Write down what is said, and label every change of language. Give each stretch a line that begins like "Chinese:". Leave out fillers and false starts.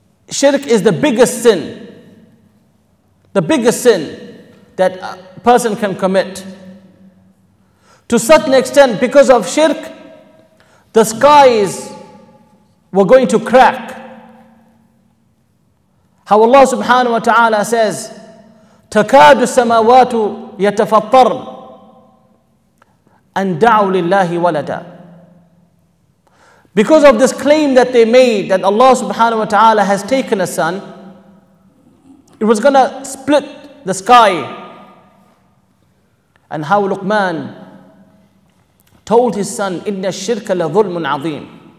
English: Shirk is the biggest sin. The biggest sin that a person can commit. To such an extent, because of shirk, the skies were going to crack. How Allah subhanahu wa ta'ala says,
Arabic: تَكَادُ السَّمَاوَاتُ يَتَفَطَّرْنَ أَنْ دَعُوا لِلَّهِ وَلَدًا.
English: Because of this claim that they made that Allah subhanahu wa ta'ala has taken a son, it was going to split the sky. And how Luqman told his son,
Arabic: إِنَّ الشِّرْكَ لَظُلْمٌ عَظِيمٌ.